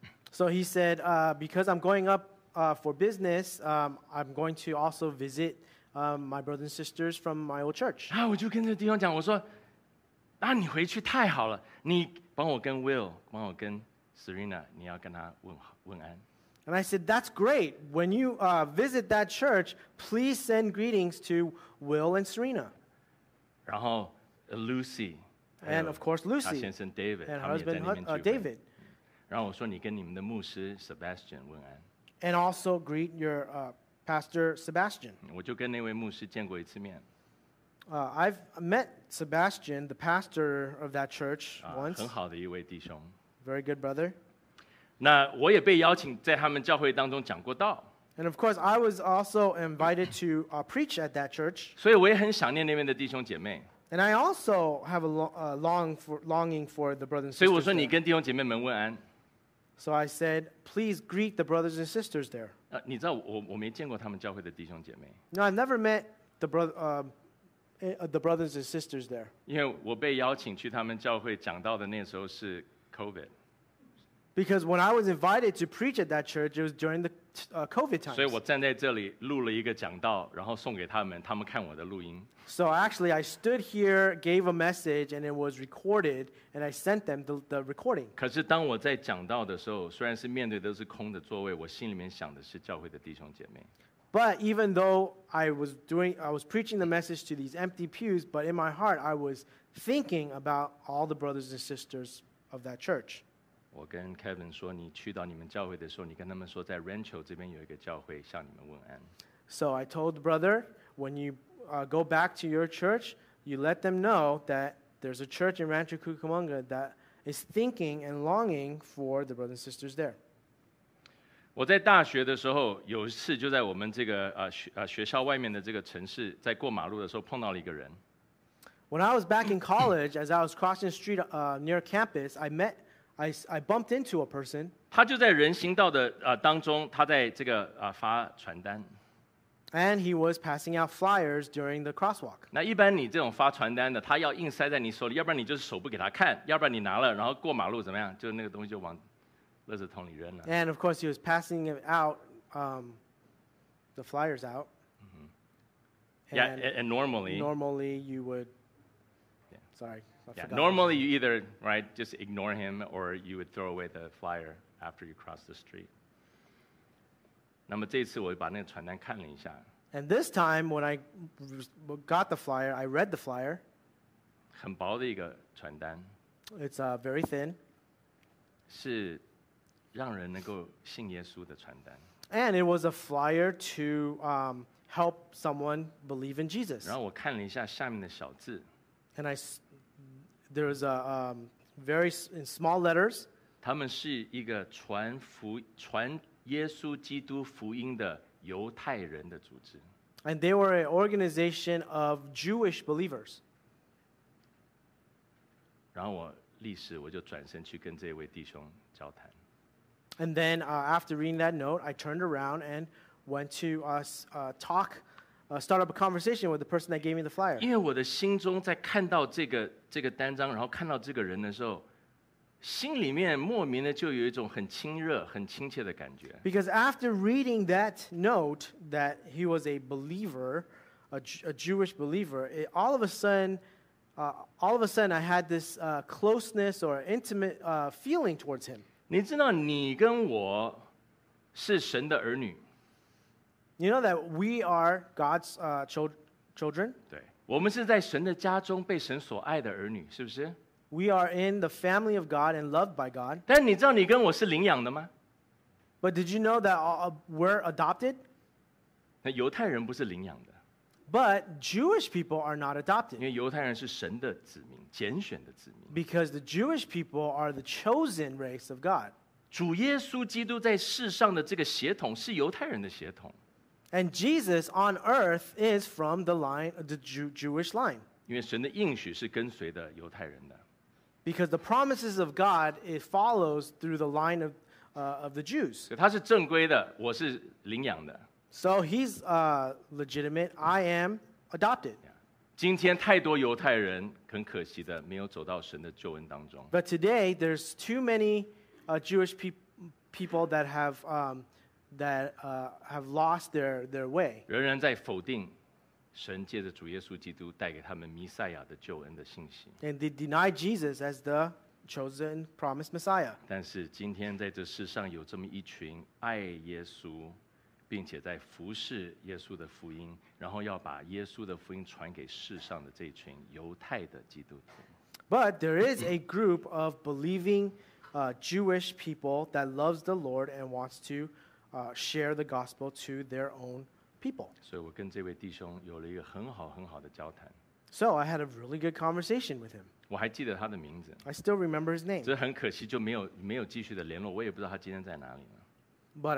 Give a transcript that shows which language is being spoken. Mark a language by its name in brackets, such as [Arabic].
[English] So he said, because I'm going up for business, I'm going to also visit my brothers and sisters from my old church. [Chinese] 啊，我就跟这弟兄讲，我说，那你回去太好了，你帮我跟 Will， 帮我跟 Serena, 你要跟他问安。 [English] And I said, that's great. When you visit that church, please send greetings to Will and Serena. [Chinese] 然后 Lucy. [English] And of course, Lucy. [Chinese] 他先生 David, [English] and husband David. [Chinese] 然后我说你跟你们的牧师 Sebastian 问安。 [English] And also greet your pastor Sebastian. [Chinese] 我就跟那位牧师见过一次面。 [English] I've met Sebastian, the pastor of that church, once. [Chinese] 很好的一位弟兄。 [English] Very good brother. [Chinese] 那我也被邀请在他们教会当中讲过道。 [English] And of course, I was also invited to preach at that church. [Chinese] 所以我也很想念那边的弟兄姐妹。 [English] And I also have a longing for the brothers and sisters. [Chinese] 所以我说你跟弟兄姐妹们问安。 [English] So I said, please greet the brothers and sisters there. [Chinese] 你知道我没见过他们教会的弟兄姐妹。 [English] No, I've never met the brothers and sisters there. [Chinese] 因为我被邀请去他们教会讲道的那时候是 COVID. [English] Because when I was invited to preach at that church, it was during the COVID times. [Chinese] 所以我站在这里录了一个讲道，然后送给他们，他们看我的录音。 [English] So actually, I stood here, gave a message, and it was recorded, and I sent them the recording. [Chinese] 可是当我在讲道的时候，虽然是面对都是空的座位，我心里面想的是教会的弟兄姐妹。 [English] But even though I was preaching the message to these empty pews, but in my heart, I was thinking about all the brothers and sisters of that church. [Chinese] 我跟 Kevin 说，你去到你们教会的时候，你跟他们说，在 Rancho 这边有一个教会向你们问安。 [English] So I told the brother, when you go back to your church, you let them know that there's a church in Rancho Cucamonga that is thinking and longing for the brothers and sisters there. [Chinese] 我在大学的时候，有一次就在我们这个学校外面的这个城市，在过马路的时候碰到了一个人。 [English] When I was back in college, as I was crossing the street near campus, I bumped into a person. [Chinese] 他就在人行道的当中，他在这个发传单。 [English] And he was passing out flyers during the crosswalk. [Chinese] 那一般你这种发传单的，他要硬塞在你手里，要不然你就是手不给他看，要不然你拿了然后过马路怎么样？就那个东西就往。 [English] And of course, he was passing out the flyers out. Mm-hmm. And normally you would. Yeah. Sorry. Normally, you either right just ignore him or you would throw away the flyer after you cross the street. [Chinese] 那么这次我把那个传单看了一下。 [English] And this time, when I got the flyer, I read the flyer. [Chinese] 很薄的一个传单。 [English] It's very thin. [Chinese] 是。让人能够信耶稣的传单。 [English] And it was a flyer to help someone believe in Jesus. [Chinese] 然后我看了一下下面的小字。 [English] And there was a very in small letters. [Chinese] 他们是一个传耶稣基督福音的犹太人的组织。 [English] And they were an organization of Jewish believers. [Chinese] 然后我立时我就转身去跟这位弟兄交谈。 [English] And then after reading that note, I turned around and went to start up a conversation with the person that gave me the flyer. [Chinese] 因为我的心中在看到这个单张，然后看到这个人的时候，心里面莫名的就有一种很亲热、很亲切的感觉。 [English] Because after reading that note that he was a believer, a Jewish believer, all of a sudden I had this closeness or intimate feeling towards him. [Chinese] 你知道你跟我是神的儿女。 [English] You know that we are God's children? [Chinese] 对。我们是在神的家中被神所爱的儿女，是不是？ [English] We are in the family of God and loved by God. [Chinese] 但你知道你跟我是领养的吗？ [English] But did you know that we're adopted? [Chinese] 那犹太人不是领养的。 [English] But Jewish people are not adopted. [Chinese] 因为犹太人是神的子民，拣选的子民。 [English] Because the Jewish people are the chosen race of God. [Chinese] 主耶稣基督在世上的这个血统是犹太人的血统。 [English] And Jesus on earth is from the line, the Jewish line. [Chinese] 因为神的应许是跟随的犹太人的。 [English] Because the promises of God, it follows through the line of the Jews. [Chinese] 他是正规的，我是领养的。 [English] So he's legitimate. I am adopted. [Chinese] 今天太多犹太人很可惜的没有走到神的救恩当中。 [English] But today there's too many Jewish people that have lost their way. [Chinese] 仍然在否定神借着主耶稣基督带给他们弥赛亚的救恩的信息。 [English] And they deny Jesus as the chosen promised Messiah. [Chinese] 但是今天在这世上有这么一群爱耶稣，并且在服侍耶稣的福音，然后要把耶稣的福音传给世上的这群犹太的基督徒。 [English] But there is a group of believing Jewish people that loves the Lord and wants to share the gospel to their own people. [Chinese] 所以我跟这位弟兄有了一个很好很好的交谈。 [English] So I had a really good conversation with him. [Chinese] 我还记得他的名字。 [English] I still remember his name. [Chinese] 只是很可惜就没有继续的联络，我也不知道他今天在哪里了。 [English] But